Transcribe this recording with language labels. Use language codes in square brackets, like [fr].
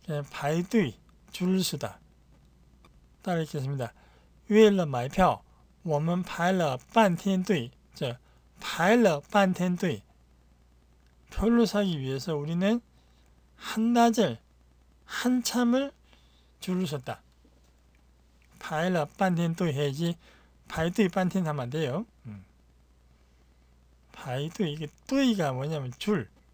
[zh] 排队, [ko] 줄 서다. 따라 읽겠습니다. [zh] 为了买票,我们排了半天队. 저, 排了半天队. [ko] 표를 사기 위해서 우리는 한나절, 한참을 줄 섰다. [zh] 排了半天队 [ko] 해야지, [zh] 排队半天 [ko] 하면 안 돼요. [zh] 排队, [ko] 이게 队가 뭐냐면 줄.